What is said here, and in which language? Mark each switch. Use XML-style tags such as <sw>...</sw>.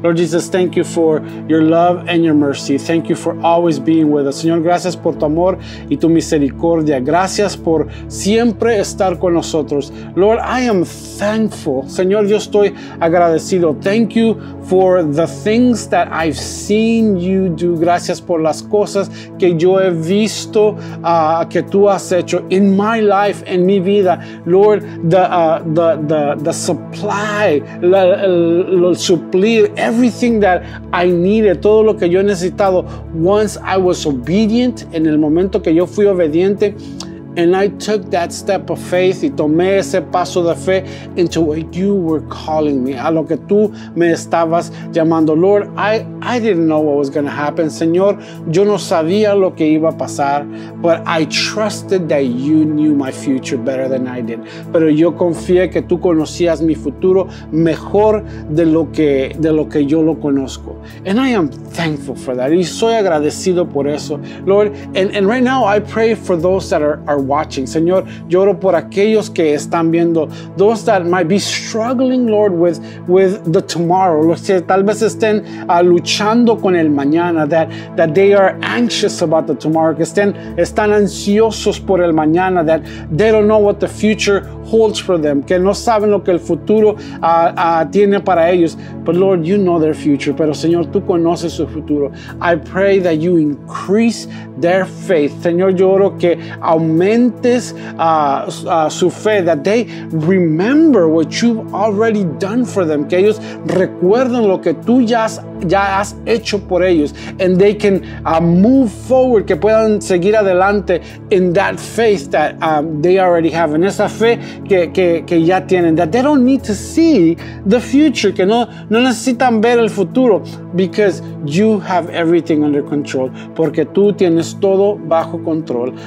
<en>Lord Jesus, thank you for your love and your mercy. Thank you for always being with us.</en> <es>Señor, gracias por tu amor y tu misericordia. Gracias por siempre estar con nosotros.</es> <en>Lord, I am thankful.</en> <es>Señor, yo estoy agradecido.</es> <en>Thank you for the things that I've seen you do.</en> <es>Gracias por las cosas que yo he visto que tú has hecho</es> <en>in my life,</en> <es>en mi vida.</es> <en>Lord, the supply,</en> <es>el suplir,</es> <en>everything that I needed,</en> <es>todo lo que yo he necesitado,</es> <en>once I was obedient,</en> <es>en el momento que yo fui obediente,</es> <en>and I took that step of faith,</en> <es>y tomé ese paso de fe</es> <en>into what you were calling me,</en> <es>a lo que tú me estabas llamando.</es> <en>Lord, I didn't know what was going to happen.</en> <es>Señor, yo no sabía lo que iba a pasar,</es> <en>but I trusted that you knew my future better than I did.</en> <es>Pero yo confié que tú conocías mi futuro mejor de lo que yo lo conozco.</es> <en>And I am thankful for that.</en> <es>Y soy agradecido por eso.</es> <en>Lord, and right now I pray for those that are watching.</en> <es>Señor, lloro por aquellos que están viendo.</es> <en>Those that might be struggling, Lord, with the tomorrow.</en> <es>Los que tal vez estén luchando con el mañana.</es> <en>That they are anxious about the tomorrow.</en> <es>Que están ansiosos por el mañana.</es> <en>That they don't know what the future holds for them.</en> <es>Que no saben lo que el futuro tiene para ellos.</es> <en>But Lord, you know their future.</en> <es>Pero Señor, tú conoces su futuro.</es> <en>I pray that you increase their faith.</en> <es>Señor, lloro que aumente aumentes su fe,</es> <en>that they remember what you've already done for them,</en> <es>que ellos recuerden lo que tú ya has hecho por ellos,</es> <en>and they can move forward,</en> <es>que puedan seguir adelante</es> <en>in that faith that they already have,</en> <es>en esa fe que ya tienen,</es> <en>that they don't need to see the future,</en> <es>que no necesitan ver el futuro,</es> <en>because you have everything under control,</en> <es>porque tú tienes todo bajo control.</es>